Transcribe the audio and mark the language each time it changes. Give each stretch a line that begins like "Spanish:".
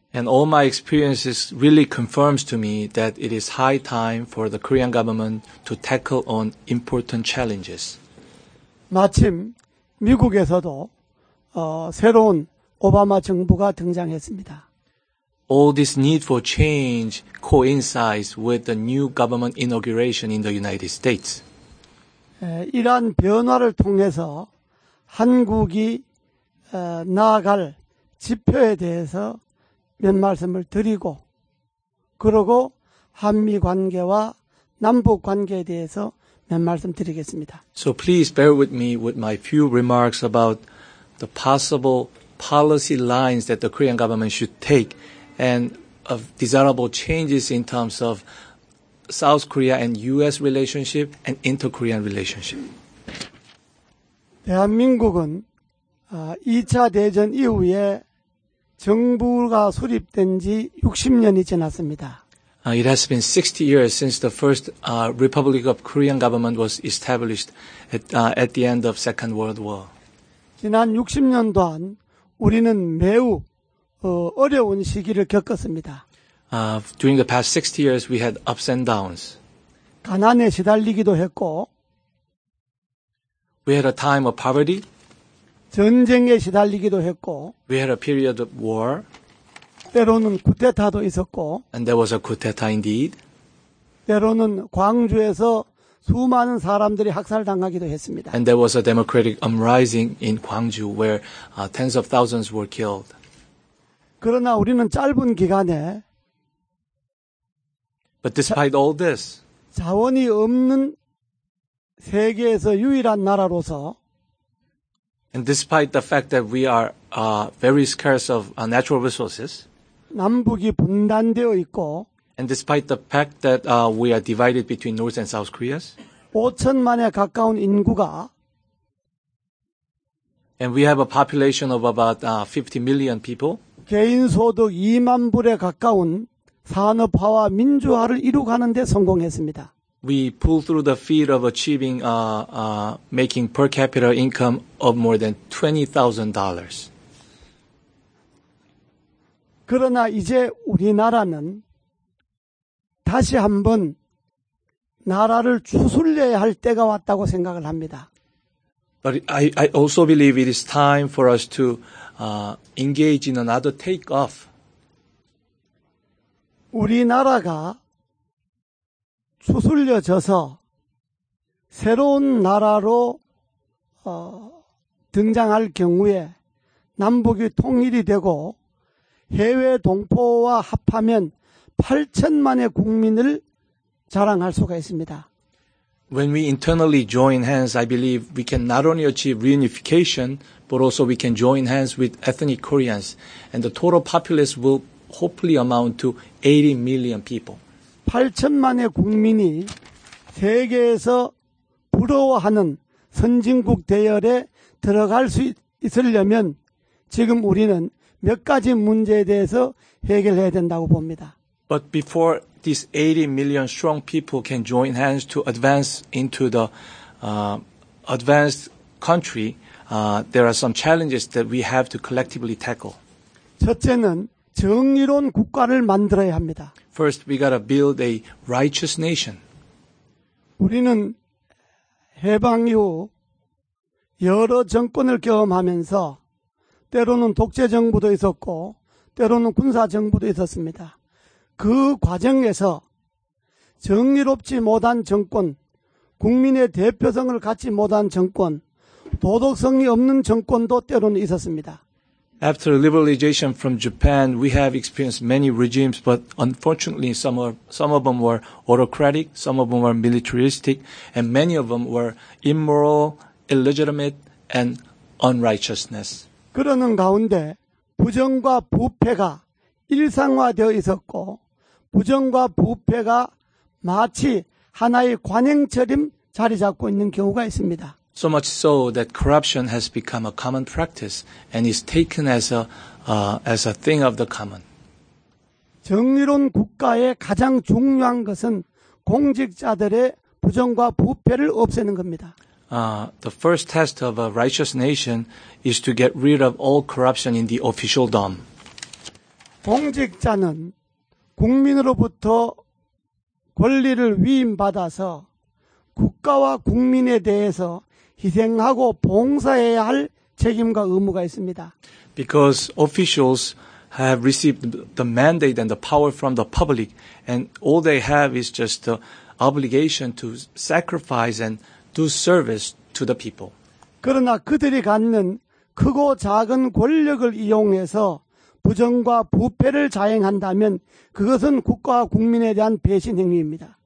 English: And all my experiences really confirms to me that it is high time for the Korean government to tackle on important challenges.
Korean: 마침 미국에서도 새로운 오바마 정부가 등장했습니다.
English: All this need for change coincides with the new government inauguration in the United States.
Korean: 이러한 변화를 통해서 한국이 나아갈 지표에 대해서 몇 말씀을 드리고 그리고 한미 관계와 남북 관계에 대해서 몇 말씀 드리겠습니다.
English: So please bear with me with my few remarks about the possible policy lines that the Korean government should take and of desirable changes in terms of South Korea and U.S. relationship and inter-Korean relationship.
Korean: 대한민국은 2차 대전 이후에 정부가 수립된 지 60년이 지났습니다.
English: It has been 60 years since the first Republic of Korean government was established at the end of Second World War.
Korean: 지난 60년 동안 우리는 매우 어려운 시기를 겪었습니다.
English: During the past 60 years, we had ups and downs.
Korean: 가난에 시달리기도 했고,
English: we had a time of poverty.
Korean: 전쟁에 시달리기도 했고,
English: we had a period of war.
Korean: 때로는 쿠데타도 있었고,
English: and there was a cuteta indeed.
Korean: 때로는 광주에서 수많은 사람들이 학살당하기도 했습니다.
English: And there was a democratic uprising in Gwangju where tens of thousands were killed.
Korean: 그러나 우리는 짧은 기간에
English: But despite all this,
Korean: 자원이 없는 세계에서 유일한 나라로서
English: And despite the fact that we are very scarce of natural resources,
Korean: 남북이 분단되어 있고
English: And despite the fact that we are divided between North and South Koreas,
Korean: 5천만에 가까운 인구가
English: And we have a population of about 50 million people,
Korean: 개인소득 2만 불에 가까운 산업화와 민주화를 이루가는 데 성공했습니다.
English: We pull through the feat of achieving making per capita income of more than $20,000.
Korean: 그러나 이제 우리나라는 다시 한번 나라를 추슬려야 할 때가 왔다고 생각을 합니다.
English: But I also believe it is time for us to engage in another take-off.
Korean: 우리나라가 추슬려져서 새로운 나라로 등장할 경우에 남북이 통일이 되고 해외 동포와 합하면 8천만의 국민을 자랑할 수가 있습니다.
English: When we internally join hands, I believe we can not only achieve reunification, but also we can join hands with ethnic Koreans, and the total populace will hopefully amount to 80 million people.
Korean: 8천만의 국민이 세계에서 부러워하는 선진국 대열에 들어갈 수 있으려면 지금 우리는 몇 가지 문제에 대해서 해결해야 된다고 봅니다.
English: But before these 80 million strong people can join hands to advance into the advanced country, there are some challenges that we have to collectively tackle.
Korean: 첫째는 정의로운 국가를 만들어야 합니다.
English: First, we got to build a righteous nation.
Korean: 우리는 해방 이후 여러 정권을 경험하면서 때로는 독재 정부도 있었고 때로는 군사 정부도 있었습니다. 그 과정에서 정의롭지 못한 정권, 국민의 대표성을 갖지 못한 정권, 도덕성이 없는 정권도 때로는 있었습니다.
English: After liberalization from Japan, we have experienced many regimes, but unfortunately some of them were autocratic, some of them were militaristic, and many of them were immoral, illegitimate, and unrighteousness.
Korean: 그러는 가운데 부정과 부패가 일상화되어 있었고 부정과 부패가 마치 하나의 관행처럼 자리 잡고 있는 경우가 있습니다.
English: So much so that corruption has become a common practice and is taken as a thing of the common.
Korean: 정의로운 국가의 가장 중요한 것은 공직자들의 부정과 부패를 없애는 겁니다.
English: The first test of a righteous nation is to get rid of all corruption in the officialdom.
Korean: 공직자는 국민으로부터 권리를 위임받아서 국가와 국민에 대해서 희생하고 봉사해야 할 책임과 의무가 있습니다.
English: Because officials have received the mandate and the power from the public, and all they have is just the obligation to sacrifice and do service to the people.
Korean: 그러나 그들이 갖는 크고 작은 권력을 이용해서 부정과 부패를 자행한다면 그것은 국가와 국민에 대한 배신 행위입니다.